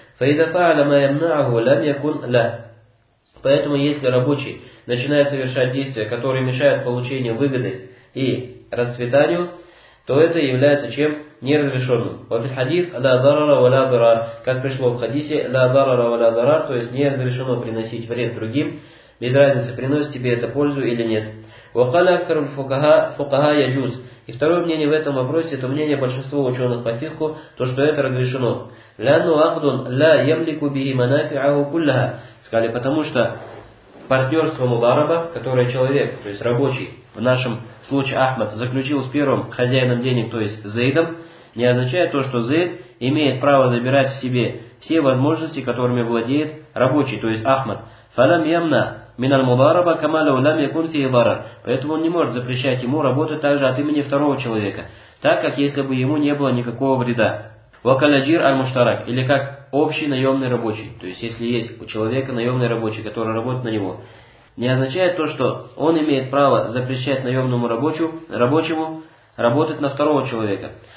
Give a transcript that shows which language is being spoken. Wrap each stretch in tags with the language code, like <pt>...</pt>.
<ar>Фаида фааля ма ямнааху лям якун ля.</ar> <ru>Поэтому если рабочий начинает совершать действия, которые мешают получению выгоды и расцветанию, то это является чем? Неразрешенным. Вот хадис</ru> <ar>ля дарара ва ля дарар,</ar> <ru>как пришло в хадисе ля дарара ва ля дарар, то есть не разрешено приносить вред другим. Без разницы, приносит тебе это пользу или нет.</ru> <ar>وقال أكثر الفقهاء فقهاء يجوز.</ar> <ru>И второе мнение в этом вопросе, это мнение большинства ученых по фикху, то что это разрешено.</ru> <ar>لأنه عقد لا يملك به منافعه كلها.</ar> <ru>Сказали, потому что партнерство мудараба, которое человек, то есть рабочий, в нашем случае Ахмад, заключил с первым хозяином денег, то есть Зейдом, не означает то, что Зейд имеет право забирать в себе все возможности, которыми владеет рабочий, то есть Ахмад.</ru> <ar>فلم يمنع من المضاربة كما لو لم يكن فيه ضرر.</ar> <ru>Поэтому он не может запрещать ему работать также от имени второго человека, так как если бы ему не было никакого вреда.</ru> <ar>وكالأجير المشترك,</ar> <ru>или как общий наемный рабочий. То есть если есть у человека наемный рабочий, который работает на него, не означает то, что он имеет право запрещать наемному рабочему работать на второго человека.</ru>